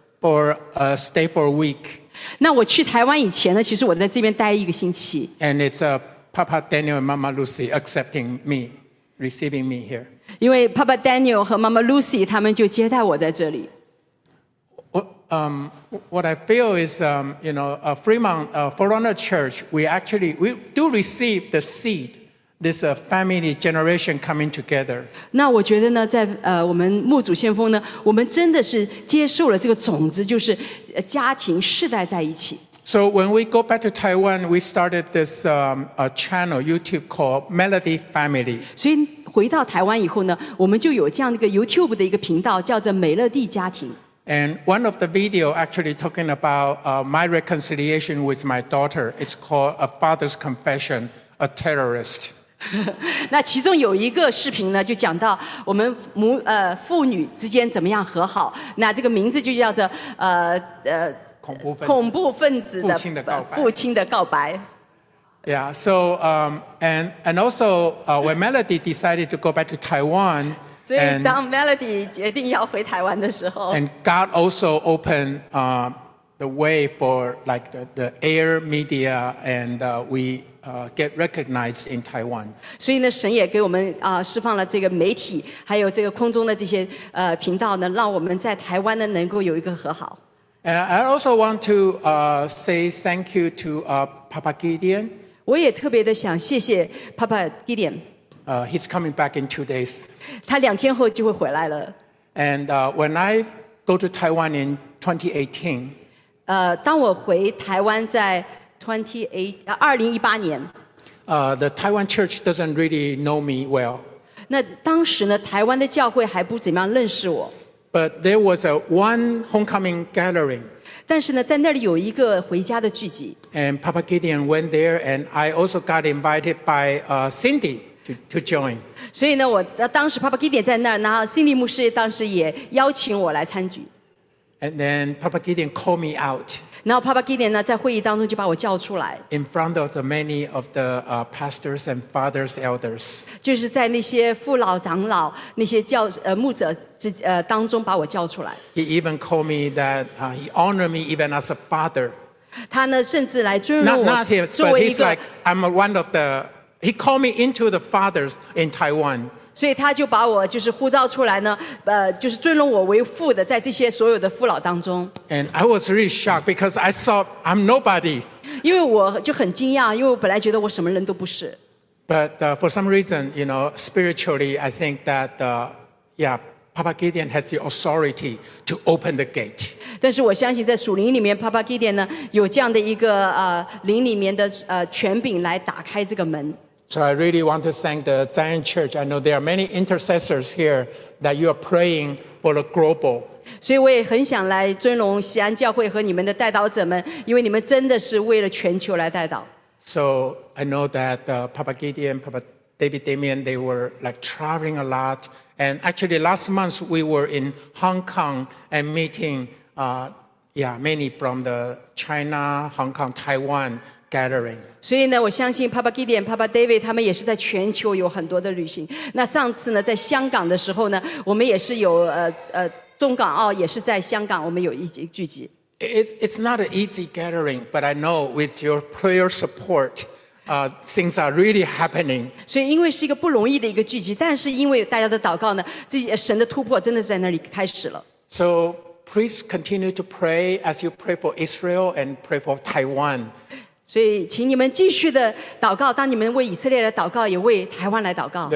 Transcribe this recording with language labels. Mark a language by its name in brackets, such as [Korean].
[English] For stay for a week. [Chinese] 那我去台湾以前呢，其实我在这边待一个星期。 [English] And it's Papa Daniel and Mama Lucy accepting me, receiving me here. [Chinese] 因为 Papa Daniel 和 Mama Lucy 他们就接待我在这里。 [English] What I feel is, Fremont Forerunner Church, we do receive the seed. This family generation coming together. [Chinese] 那我觉得呢，在我们牧主先锋呢，我们真的是接受了这个种子，就是家庭世代在一起。 [English] So when we go back to Taiwan, we started this a channel YouTube called Melody Family. [Chinese] 所以回到台湾以后呢，我们就有这样一个 YouTube 的一个频道，叫做美乐蒂家庭。 [English] And one of the video actually talking about my reconciliation with my daughter. It's called A Father's Confession. A terrorist. [Chinese] 那其中有一个视频呢，就讲到我们父女之间怎么样和好。那这个名字就叫做恐怖分子的父亲的告白。Yeah. [English] So and also when Melody decided to go back to Taiwan. [Chinese] 所以当 Melody 决定要回台湾的时候。 [English] And God also opened the way for like the air media and get recognized in Taiwan. [Chinese] 所以呢，神也给我们啊释放了这个媒体，还有这个空中的这些频道呢，让我们在台湾呢能够有一个和好。 [English] And I also want to say thank you to Papa Gideon. [Chinese] 我也特别的想谢谢 Papa Gideon. [English] He's coming back in 2 days. [Chinese] 他两天后就会回来了。 [English] And when I go to Taiwan in 2018, [Chinese] 当我回台湾在2018年 [English] The Taiwan church doesn't really know me well. [Chinese] 那当时呢，台湾的教会还不怎么样认识我。 [English] But there was a one homecoming gathering. [Chinese] 但是呢，在那里有一个回家的聚集。 [English] And Papa Gideon went there, and I also got invited by Cindy to join. [Chinese] 所以呢，我当时 Papa Gideon 在那儿，然后 Cindy 牧师当时也邀请我来参与。 [English] And then Papa Gideon called me out. [Chinese] 然后 Papa Gideon 呢，在会议当中就把我叫出来。 [English] In front of the many of the pastors and fathers elders. [Chinese] 就是在那些父老长老那些教牧者之当中把我叫出来。 [English] He even called me that he honored me even as a father. [Chinese] 他呢甚至来尊重我作为一个。 [English] Not him, but he's like I'm one of the. He called me into the fathers in Taiwan. [Chinese] 所以他就把我就是呼召出来呢，就是尊荣我为父的，在这些所有的父老当中。 [English] And I was really shocked because I thought I'm nobody. [Chinese] 因为我就很惊讶，因为我本来觉得我什么人都不是。 [English] But for some reason, you know, spiritually, I think that Papa Gideon has the authority to open the gate. [Chinese] 但是我相信在属灵里面 ，Papa Gideon 呢有这样的一个灵里面的权柄来打开这个门。 [English] So I really want to thank the Zion Church. I know there are many intercessors here that you are praying for the global. [Chinese] 所以我也很想来尊荣西安教会和你们的代祷者们，因为你们真的是为了全球来代祷。 [English] So I know that Papa Gideon, Papa David Damien, they were like traveling a lot. And actually last month we were in Hong Kong and meeting many from the China, Hong Kong, Taiwan gathering. [Chinese] 所以呢，我相信 Papa Gideon、Papa David 他们也是在全球有很多的旅行。那上次呢，在香港的时候呢，我们也是有中港澳也是在香港，我们有一起聚集。 [English] It's not an easy gathering, but I know with your prayer support, things are really happening. [Chinese] 所以因为是一个不容易的一个聚集，但是因为大家的祷告呢，这些神的突破真的在那里开始了。 [English] So please continue to pray as you pray for Israel and pray for Taiwan. [Chinese] 所以请你们继续的祷告当你们为以色列来祷告也为台湾来祷告